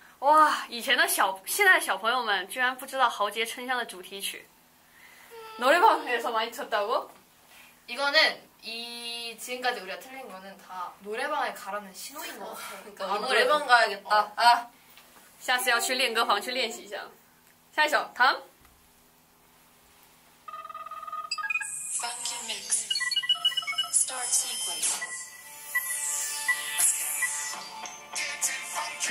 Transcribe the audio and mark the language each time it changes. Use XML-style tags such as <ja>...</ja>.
<ko>와, 이전의</ko> <zh>小 现在的小朋友们居然不知道豪杰春香的主题曲.</zh> <ko>노래방에서 많이 쳤다고? 이거는 이 지금까지 우리가 틀린 거는 다 노래방에 가라는 신호인 것 같아. 그러니까 아, 노래방 가야겠다. 아,</ko> <zh>下次要去练歌房去练习一下。下一首 다음.</zh>